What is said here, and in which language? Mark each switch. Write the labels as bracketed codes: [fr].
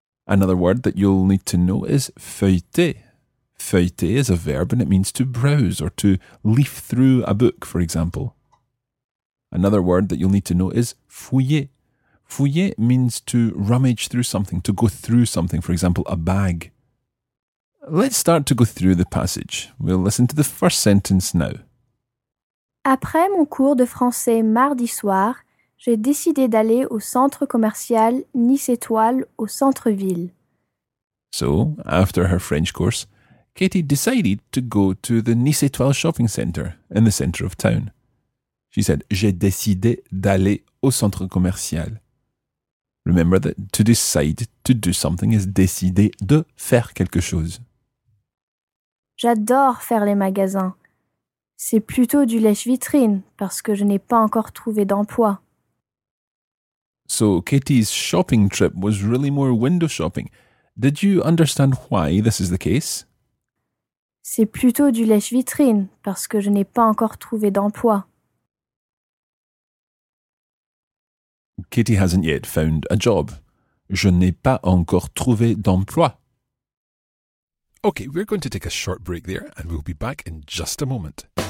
[en] Another word that you'll need to know is feuilleter. Feuilleter is a verb and it means to browse or to leaf through a book, for example. Another word that you'll need to know is fouiller. Fouiller means to rummage through something, to go through something, for example, a bag. Let's start to go through the passage. We'll listen to the first sentence now. [fr] Après mon cours de français mardi soir, j'ai décidé d'aller au centre commercial Nice Étoile au centre-ville. [en] So, after her French course, Katie decided to go to the Nice Étoile shopping center in the center of town. She said, [fr] j'ai décidé d'aller au centre commercial. [en] Remember that to decide to do something is [fr] décider de faire quelque chose. J'adore faire les magasins. C'est plutôt du lèche-vitrine, parce que je n'ai pas encore trouvé d'emploi. [en] So, Katie's shopping trip was really more window shopping. Did you understand why this is the case? [fr] C'est plutôt du lèche-vitrine, parce que je n'ai pas encore trouvé d'emploi. [en] Katie hasn't yet found a job. [fr] Je n'ai pas encore trouvé d'emploi. [en] Okay, we're going to take a short break there, and we'll be back in just a moment.